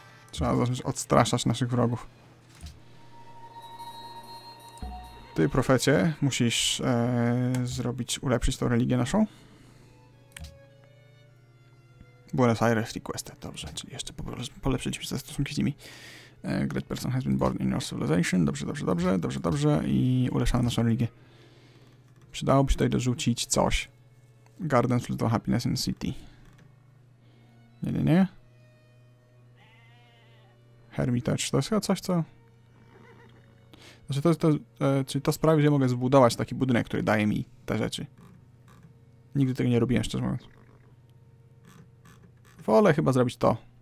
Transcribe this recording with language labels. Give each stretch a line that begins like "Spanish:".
Polish: Trzeba zacząć odstraszać naszych wrogów. Ty, profecie, musisz zrobić, ulepszyć tą religię naszą. Buenos Aires
English: requested,
Polish: dobrze, czyli jeszcze polepszyć się ze stosunki z nimi.
English: Great person has been born in your civilization,
Polish: dobrze. I ulepszamy naszą religię. Przydałoby się tutaj dorzucić coś.
English: Gardens for the happiness in the city.
Polish: Nie. Hermitage, to jest chyba coś, co... Znaczy to sprawi, że mogę zbudować taki budynek, który daje mi te rzeczy. Nigdy tego nie robiłem, szczerze mówiąc. Wolę chyba zrobić to.